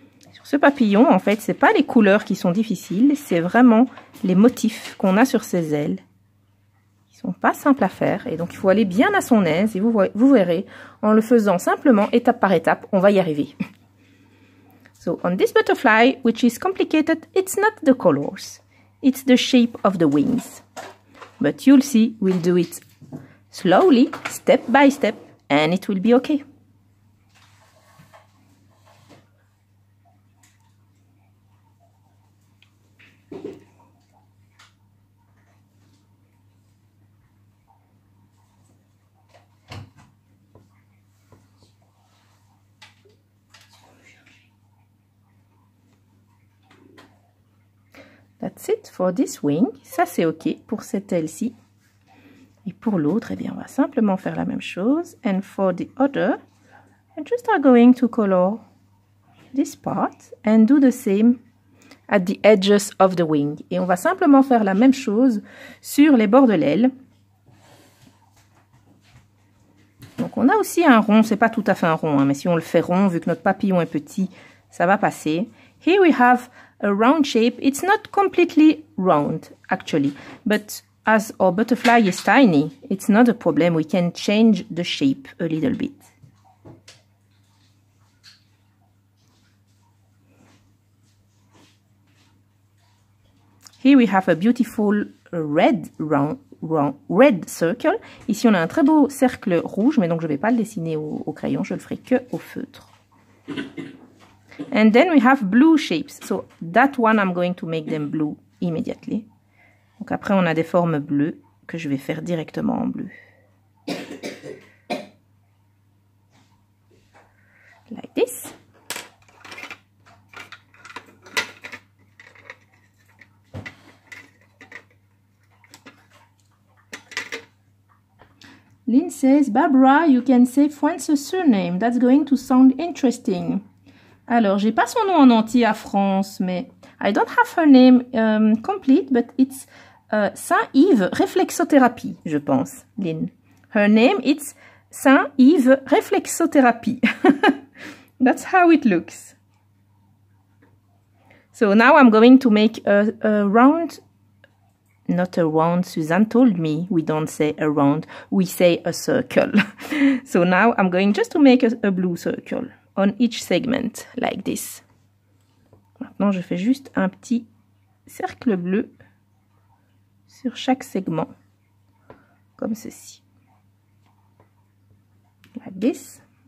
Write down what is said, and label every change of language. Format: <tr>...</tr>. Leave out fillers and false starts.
<fr>Sur ce papillon, en fait, c'est pas les couleurs qui sont difficiles, c'est vraiment les motifs qu'on a sur ses ailes. Ils sont pas simples à faire et donc il faut aller bien à son aise. Et vous verrez, en le faisant simplement, étape par étape, on va y arriver.</fr> <en>So on this butterfly, which is complicated, it's not the colors, it's the shape of the wings. But you'll see, we'll do it slowly, step by step, and it will be okay. That's it for this wing.</en> <fr>Ça, c'est OK pour cette aile-ci. Et pour l'autre, eh bien, on va simplement faire la même chose.</fr> <en>And for the other, I just are going to color this part and do the same at the edges of the wing.</en> <fr>Et on va simplement faire la même chose sur les bords de l'aile. Donc, on a aussi un rond. C'est pas tout à fait un rond, hein, mais si on le fait rond, vu que notre papillon est petit, ça va passer.</fr> <en>Here we have a round shape. It's not completely round, actually, but as our butterfly is tiny, it's not a problem. We can change the shape a little bit. Here we have a beautiful red circle.</en> <fr>Ici, on a un très beau cercle rouge, mais donc je ne vais pas le dessiner au crayon, je le ferai que au feutre.</fr> <en>And then we have blue shapes. So that one, I'm going to make them blue immediately.</en> <fr>Donc après, on a des formes bleues que je vais faire directement en bleu.</fr> <en>Like this. Lynn says, Barbara, you can say France's surname. That's going to sound interesting.</en> <fr>Alors, j'ai pas son nom en entier à France, mais</fr> <en>I don't have her name complete, but it's Saint-Yves Réflexothérapie,</en> <fr>je pense,</fr> <en>Lynn. Her name is Saint-Yves Réflexothérapie. That's how it looks. So now I'm going to make a round, not a round, Suzanne told me we don't say a round, we say a circle. So now I'm going just to make a blue circle. On each segment, like this.</en> <fr>Maintenant, je fais juste un petit cercle bleu sur chaque segment, comme ceci.</fr> <en>Like this.</en>